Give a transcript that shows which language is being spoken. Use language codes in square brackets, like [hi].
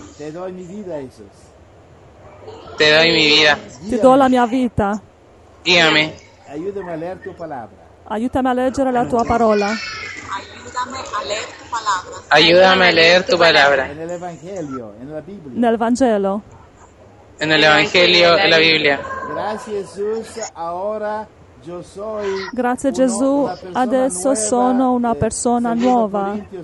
[it] Te do la mia vita, Gesù. Te do mi vita. Ti do la mia vita. Guidami. Aiutami a leggere la tua parola. Aiutami a leggere la tua parola. Aiutami a leggere la tua parola. Aiutami a leggere tua parola. Nel Vangelo, nella Bibbia. Nel Vangelo. [es] En el Evangelio, en la Biblia. Gracias, Jesús. Ahora yo soy. [it] Grazie Gesù. Adesso sono una persona nuova.